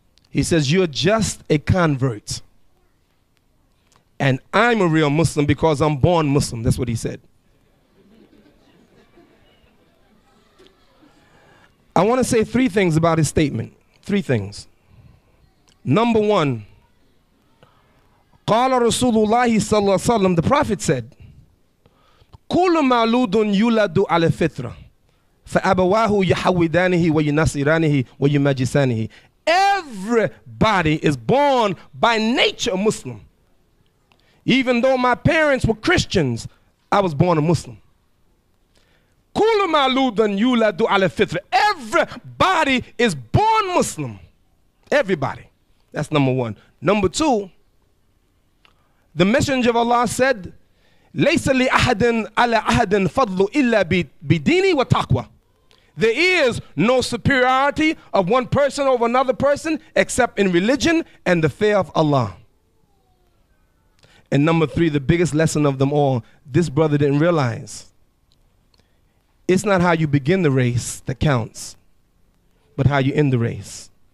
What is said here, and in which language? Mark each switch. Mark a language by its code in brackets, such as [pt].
[en] He says, you're just a convert. And I'm a real Muslim because I'm born Muslim. That's what he said. I want to say three things about his statement. Three things. Number one, [ar] قال رسول الله صلى الله عليه وسلم, [en] the Prophet said, [ar] كل مولود يولد على فطرة فأبواه يحودانه وينصرانه ويمجسانه. [en] Everybody is born by nature Muslim. Even though my parents were Christians, I was born a Muslim. [ar] كل مولود يولد على فطرة. [en] Everybody is born Muslim. Everybody. That's number one. Number two, the Messenger of Allah said, [ar] لَيْسَ لِأَحَدٍ عَلَى أَحَدٍ فَضْلُ إِلَّا بِدِينِ وَتَقْوَى. [en] There is no superiority of one person over another person except in religion and the fear of Allah. And number three, the biggest lesson of them all, this brother didn't realize. It's not how you begin the race that counts, but how you end the race.